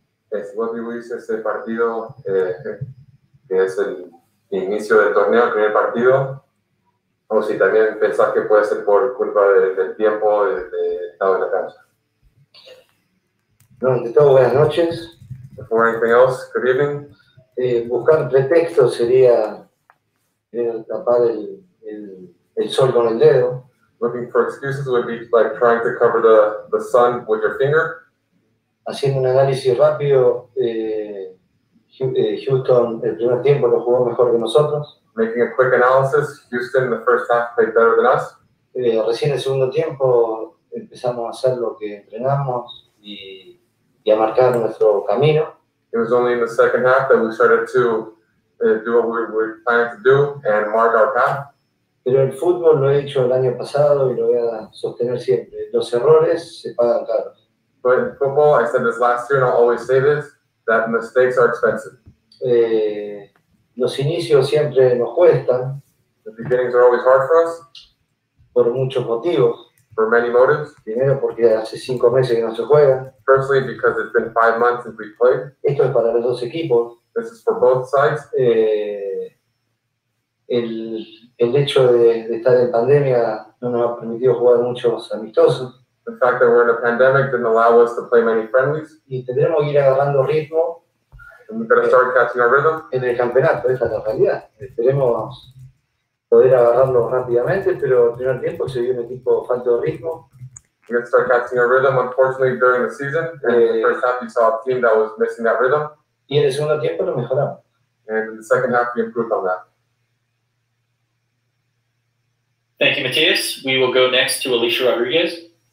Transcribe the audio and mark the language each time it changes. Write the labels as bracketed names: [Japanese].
[Spanish] Es vos vivís ese partido que es el inicio del torneo, el primer partido, o si también pensás que puede ser por culpa del tiempo de estado de la cancha. No, de todo, buenas noches. [English] Before anything else, good evening. [Spanish] Buscar pretexto sería tapar el sol con el dedo. [English] Looking for excuses would be like trying to cover the sun with your finger. [Spanish] Haciendo un análisis rápido, Houston el primer tiempo lo jugó mejor que nosotros. [English] Making a quick analysis, Houston the first half played better than us. [Spanish] Recién el segundo tiempo empezamos a hacer lo que entrenamos y a marcar nuestro camino. [English] It was only in the second half that we started to do what we were planning to do and mark our path. [Spanish] Pero el fútbol lo he hecho el año pasado y lo voy a sostener siempre. Los errores se pagan caro. [English] But in football, I said this last year and I'll always say this, that mistakes are expensive. [Spanish] Los inicios siempre nos cuestan. [English] The beginnings are always hard for us. [Spanish] Por muchos motivos. [English] For many motives. [Spanish] Primero porque hace 5 meses que no se juega. [English] Firstly, because it's been 5 months since we played. [Spanish] Esto es para los dos equipos. [English] This is for both sides. [Spanish] El hecho de estar en pandemia no nos ha permitido jugar muchos amistosos. [English] The fact that we're in a pandemic didn't allow us to play many friendlies. [Spanish] Y tendremos que ir agarrando ritmo. [English] And we've got to start catching our rhythm. [Spanish] En el campeonato, esa es la realidad. Esperemos poder agarrarlo rápidamente, pero al primer tiempo se vio un equipo falto de ritmo. [English] We got to start catching our rhythm, unfortunately, during the season. And in the first half, you saw a team that was missing that rhythm. [Spanish] Y en el segundo tiempo lo mejoramos. [English] And in the second half, we improved on that. Thank you, Matias. We will go next to Alicia Rodriguez.